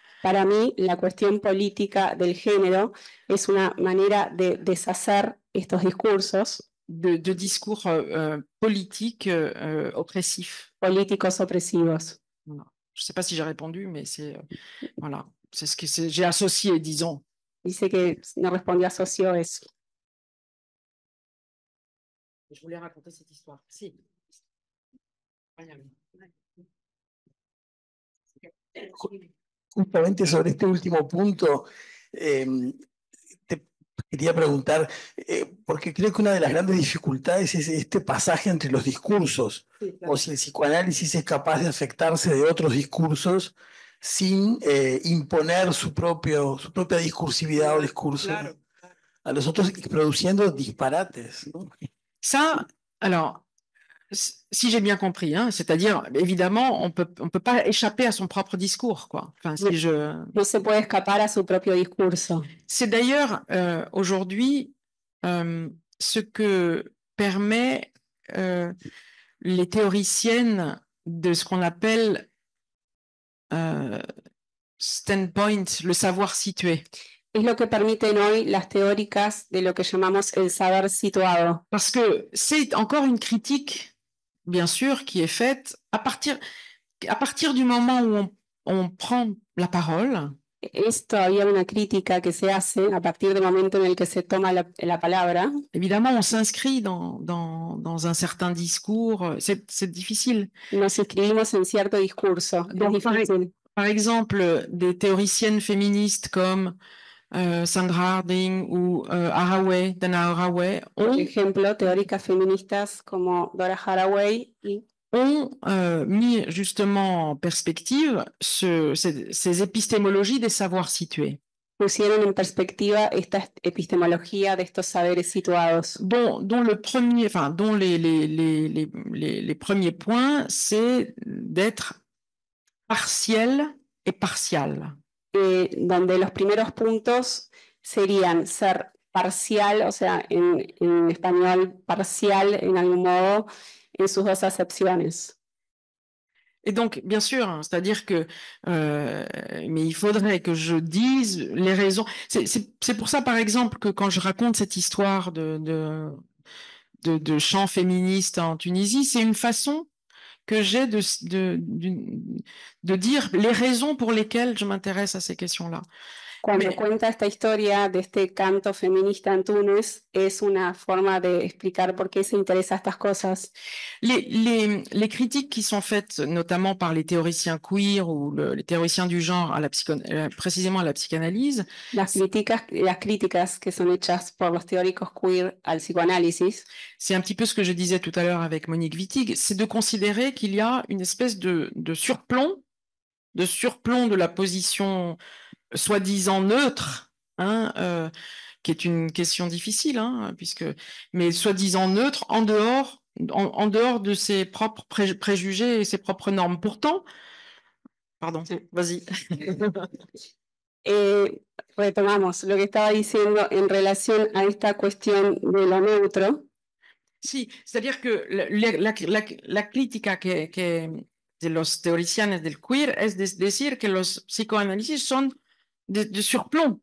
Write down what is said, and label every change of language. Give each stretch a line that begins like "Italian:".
French: Pour moi, la question politique du genre est une manière de déshacer ces discours. De discours politiques oppressifs.
Spanish: Políticos opresivos.
French: Voilà. Je ne sais pas si j'ai répondu, mais c'est voilà, c'est ce que j'ai associé, disons.
Spanish: Dice que no respondió asoció eso.
French: Je voulais raconter cette histoire.
Spanish: Si. Justamente sobre este último punto. Quería preguntar, porque creo que una de las grandes dificultades es este pasaje entre los discursos, sí, claro. O si el psicoanálisis es capaz de afectarse de otros discursos sin imponer su propia discursividad o discurso, claro, claro. A los otros y produciendo disparates, ¿no?
French: Ça, alors, si j'ai bien compris, hein, c'est-à-dire, évidemment, on peut pas échapper à son propre discours, quoi. Enfin, si je...
Spanish: No se puede escapar a su propio discurso.
French: C'est d'ailleurs aujourd'hui ce que permet les théoriciennes de ce qu'on appelle standpoint, le savoir situé.
Spanish: Es lo que permiten hoy las teóricas de lo que llamamos el saber situado.
French: Parce que c'est encore une critique, bien sûr, qui est faite à partir du moment où on prend la parole.
Spanish: Es todavía una crítica que se hace a partir del momento en el que se toma la palabra.
French: Évidemment, on s'inscrit dans un certain discours. C'est difficile.
Spanish: Nos inscribimos en cierto discurso.
French: Donc, par exemple, des théoriciennes féministes comme Sandra Harding ou Dana Haraway.
Spanish: Por ejemplo, teóricas feministas como Dora Haraway y
French: ont mis justement en perspective ces épistémologies des savoirs situés.
Spanish: Pusieron en perspectiva esta epistemología de estos saberes situados.
French: Dont les premiers points, c'est d'être partiel et partial.
Spanish: Donde los primeros puntos serían ser parcial, o sea, en español parcial, en algún modo.
French: Et sous vos acceptions. Et donc, bien sûr, c'est-à-dire que, mais il faudrait que je dise les raisons. C'est pour ça, par exemple, que quand je raconte cette histoire de chant féministe en Tunisie, c'est une façon que j'ai de dire les raisons pour lesquelles je m'intéresse à ces questions-là. Quand je
Spanish: cuenta esta historia de este canto feminista en Túnez, es una forma de explicar por qué se interesa estas cosas.
French: Les critiques qui sont faites notamment par les théoriciens queer ou les théoriciens du genre précisément à la psychanalyse.
Spanish: Las críticas que son hechas por los teóricos queer al psicoanálisis.
French: C'est un petit peu ce que je disais tout à l'heure avec Monique Wittig, c'est de considérer qu'il y a une espèce de surplomb de la position soi-disant neutre, hein, qui est une question difficile, hein, puisque, mais soi-disant neutre en dehors en dehors de ses propres préjugés et ses propres normes. Pourtant, pardon, sí. Vas-y.
Spanish: Retomamos lo que estaba diciendo en relación a esta cuestión de lo neutro. Sí,
French: c'est-à-dire que
Spanish: la crítica que de los teoricianos del queer es decir que los psicoanálisis son de surplomb.